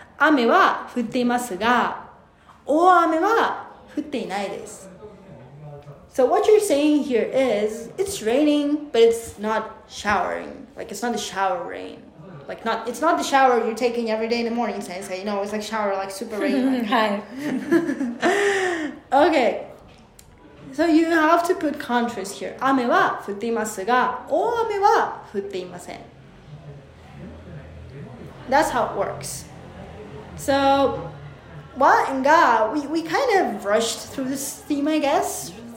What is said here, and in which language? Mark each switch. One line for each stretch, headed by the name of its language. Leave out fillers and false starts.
Japanese: 雨は降っていますが、大雨は降っていないです。
English: So what you're saying here is, it's raining, but it's not showering. Like, it's not a shower rain. Like, not, it's not the shower you're taking every day in the morning, sensei. You know, it's like shower, like super rain. Like. Okay. So you have to put contrast here.
Japanese: 雨は降っていますが、大雨は降っていません。
English: That's how it works. So, wa and ga, we kind of rushed through this theme, I guess.